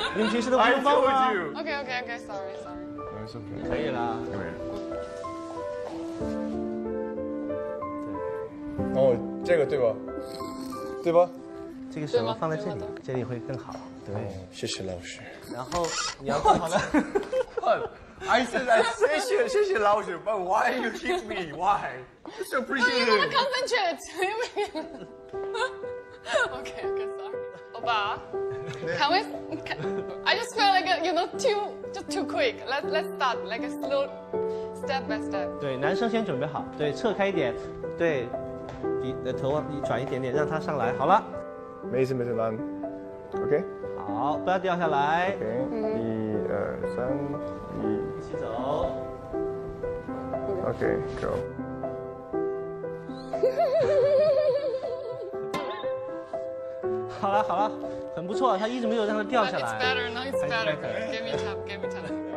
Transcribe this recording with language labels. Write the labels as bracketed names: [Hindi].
[Chinese] 你们平时都不拥抱吗 [English] OK OK OK sorry It's okay [Chinese] 可以啦哦、oh, 这个对吧对吧这个手放在这里这里会更好对、oh, 谢谢老师然后你要放好了 [English] I said that, [Chinese] 谢谢老师 [English] but why you hit me? Why? It's so appreciated. You gotta concentrate. Okay, I'm sorry. 欧巴 can we, I just feel like, you know, too quick. Let's start like a slow, step by step. [Chinese] 对男生先准备好对侧开一点对你的头往你转一点点让他上来好了。没事没事男 OK? 好不要掉下来。 OK, 一二三。走 [English] OK go [Chinese] 好了好了很不错他一直没有让他掉下来 [English] It's better No it's better Give me tap Give me tap